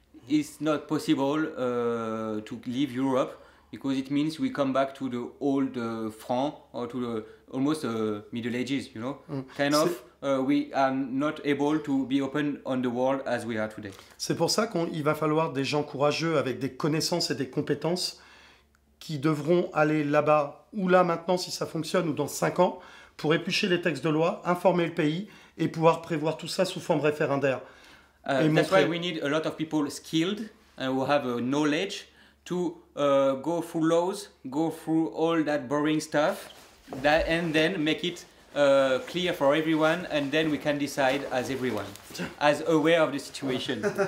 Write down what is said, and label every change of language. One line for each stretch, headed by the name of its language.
English: It's not possible to leave Europe because it means we come back to the old franc or to the almost Middle Ages, you know, kind of. We are not able to be open on the world as we are today.
French: C'est pour ça qu'il va falloir des gens courageux avec des connaissances et des compétences qui devront aller là-bas ou là maintenant si ça fonctionne ou dans 5 ans pour éplucher les textes de loi, informer le pays et pouvoir prévoir tout ça sous forme référendaire.
English: That's why we need a lot of people skilled and who have knowledge to go through laws, go through all that boring stuff that, and then make it clear for everyone, and then we can decide as everyone, as aware of the situation.